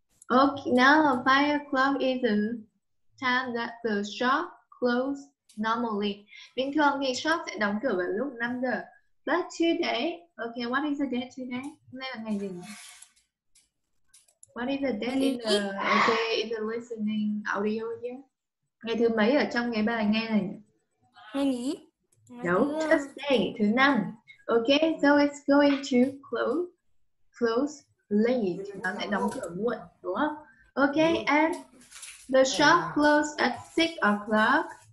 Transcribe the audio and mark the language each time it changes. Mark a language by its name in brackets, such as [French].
[English] Okay, now 5 o'clock is the time that the shop closes normally. [Vietnamese] Bình thường thì shop sẽ đóng cửa vào lúc 5 giờ. [English] But today, okay, what is the date today? [Vietnamese] Hôm nay là ngày gì? [English] What is the date in the, okay, in the listening audio here? [Vietnamese] Ngày thứ mấy ở trong cái bài nghe này? Ngày nghỉ. [English] No, Thursday, [Vietnamese] thứ năm. [English] Okay, so it's going to close late. [Vietnamese] Nó sẽ đóng cửa muộn, đúng không? [English] Okay, and the shop closed at 6 o'clock.